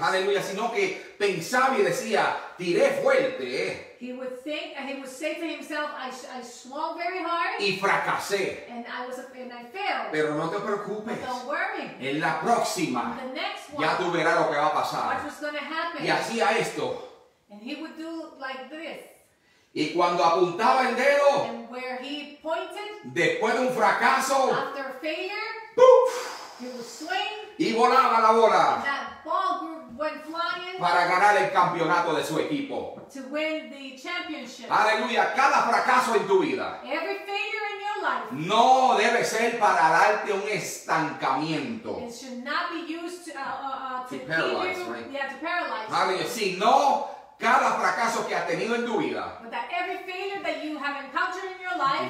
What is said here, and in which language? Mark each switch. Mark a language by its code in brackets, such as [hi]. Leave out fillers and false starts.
[es] Aleluya, sino que pensaba y decía, tiré fuerte. [en] He would think, and he would say to himself, I swung very hard. [es] Y fracasé. [en] And I failed. [es] Pero no te preocupes. [en] But don't worry. [es] En la próxima. [en] The next one, [es] ya tú verás lo que va a pasar. [en] What was going to happen. [es] Y hacía esto. [en] And he would do like this. [es] Y cuando apuntaba el dedo, [en] and where he pointed, [es] después de un fracaso, [en] after failure, ¡puf! He would swing, [es] y volaba la bola, [en] and that ball went flying, [es] para ganar el campeonato de su equipo, [en] to win the championship. [es] Aleluya, cada fracaso en tu vida, [en] every failure in your life, [es] no debe ser para darte un estancamiento, [en] it should not be used to paralyze, right? Yeah, to paralyze. [es] Aleluya, si no, cada fracaso que has tenido en tu vida. [en] But that every failure that you have encountered in your life.